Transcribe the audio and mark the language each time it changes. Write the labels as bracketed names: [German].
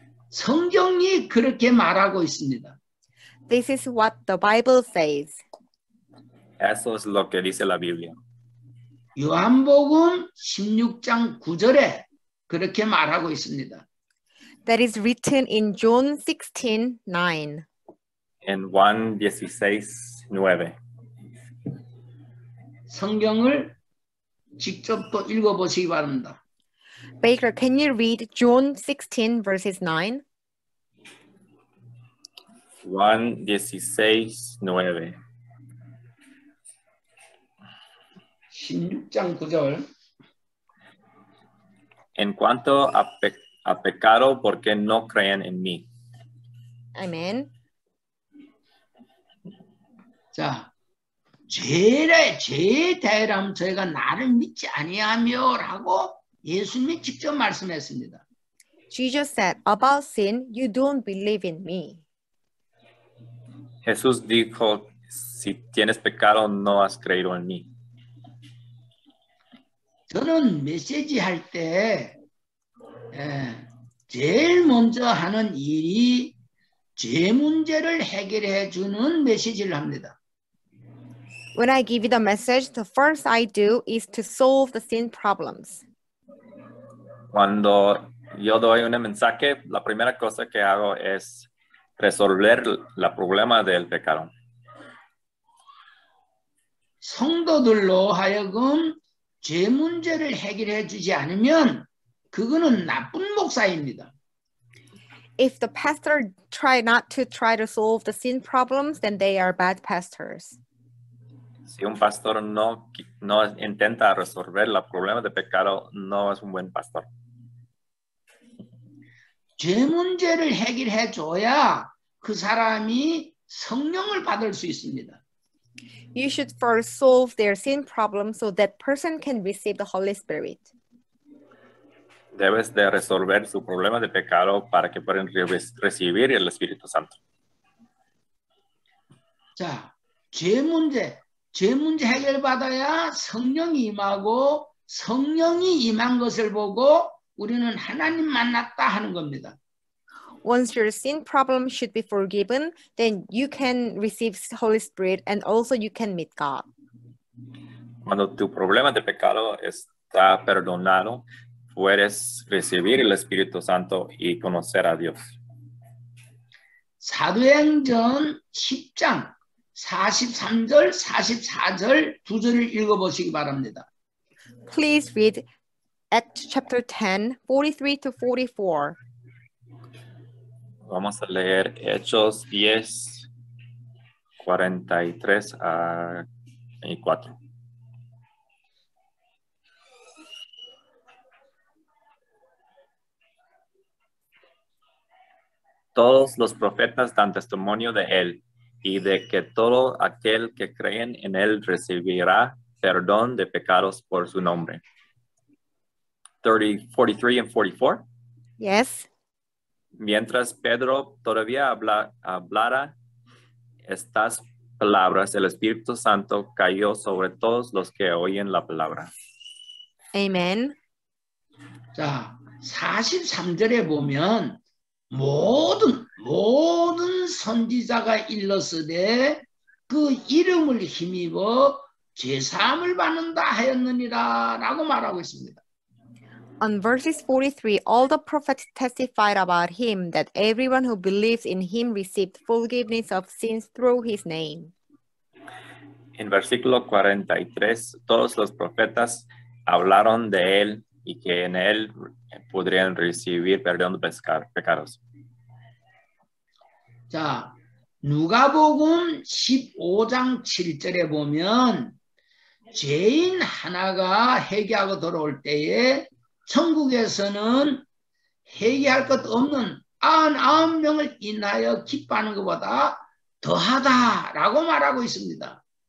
[Korean] 성경이 그렇게 말하고 있습니다. [English] This is what the Bible says. [Spanish] Eso es lo que dice la Biblia. [Korean] 요한복음 16장 9절에 그렇게 말하고 있습니다. [English] That is written in John 16:9. [Spanish] In Juan 16:9. [Korean] 성경을 직접 또 읽어 보시기 바랍니다. [English] Baker, can you read John 16 verses 9? 1:16-9. [Korean] 16장 9절. [Spanish] En cuanto a pecado, ¿por qué no creen en mí? [English] Amen. [Korean] 자, 죄 대라면 저희가 나를 믿지 아니하며라고 예수님이 직접 말씀했습니다. [English] Jesus said, about sin, you don't believe in me. [Spanish] Jesús dijo, si tienes pecado, no has creído en mí. [Korean] 저는 메시지 할 때 제일 먼저 하는 일이 죄 문제를 해결해 주는 메시지를 합니다. [English] When I give you the message, the first I do is to solve the sin problems. [Spanish] Cuando yo doy un mensaje, la primera cosa que hago es resolver el problema del pecado. [Korean] 성도들로 하여금 죄 문제를 해결해 주지 않으면 그거는 나쁜 목사입니다. [English] If the pastor try not to try to solve the sin problems, then they are bad pastors. [Spanish] Si un pastor no intenta resolver el problema de pecado, no es un buen pastor. [Korean] 죄 문제를 해결해 줘야 그 사람이 성령을 받을 수 있습니다. [English] You should first solve their sin problem so that person can receive the Holy Spirit. [Spanish] Debes de resolver su problema de pecado para que puedan recibir el Espíritu Santo. [Korean] 자, 죄 문제 해결 받아야 성령이 임하고 성령이 임한 것을 보고 우리는 하나님 만났다 하는 겁니다. [English] Once your sin problem should be forgiven, then you can receive the Holy Spirit and also you can meet God. [Spanish] Cuando tu problema de pecado está perdonado, puedes recibir el Espíritu Santo y conocer a Dios. [Korean] 사도행전 10장 43절 44절 두 절을 읽어 보시기 바랍니다. [English] Please read Acts chapter 10, 43 to 44. [Spanish] Vamos a leer Hechos 10, 43 a 4. Todos los profetas dan testimonio de él y de que todo aquel que cree en él recibirá perdón de pecados por su nombre. [English] 43 and 44? Yes. [Spanish] Mientras Pedro todavía hablara estas palabras, el Espíritu Santo cayó sobre todos los que oyen la palabra. [English] Amen. [Korean] 자, 43절에 보면 모든 선지자가 일렀으되 그 이름을 힘입어 죄사함을 받는다 하였느니라 라고 말하고 있습니다. [English] On verses 43, all the prophets testified about him that everyone who believes in him received forgiveness of sins through his name. [Spanish] En versículo 43, todos los profetas hablaron de él y que en él podrían recibir perdón de pecados. [Korean] 자, 누가복음 15장 7절에 보면 죄인 하나가 회개하고 돌아올 때에 천국에서는 회개할 것 없는 99명을 인하여 기뻐하는 것보다 더하다라고 말하고 있습니다.